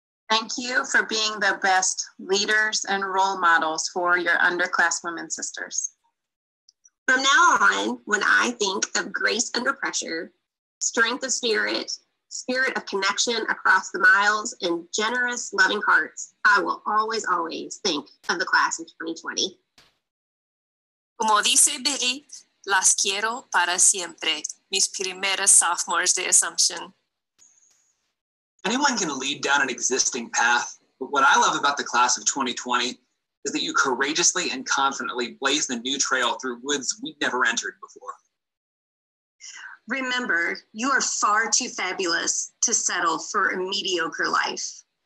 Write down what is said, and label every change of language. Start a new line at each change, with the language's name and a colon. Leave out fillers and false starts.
English: Thank you for being the best leaders and role models for your underclasswomen sisters. From now on, when I think of grace under pressure, strength of spirit, spirit of connection across the miles, and generous, loving hearts, I will always, always think of the class of 2020.
Spanish: Como dice Billy, las quiero para siempre, mis primeras sophomores de Assumption.
English: Anyone can lead down an existing path, but what I love about the class of 2020 is that you courageously and confidently blaze the new trail through woods we've never entered before. Remember, you are far too fabulous to settle for a mediocre life.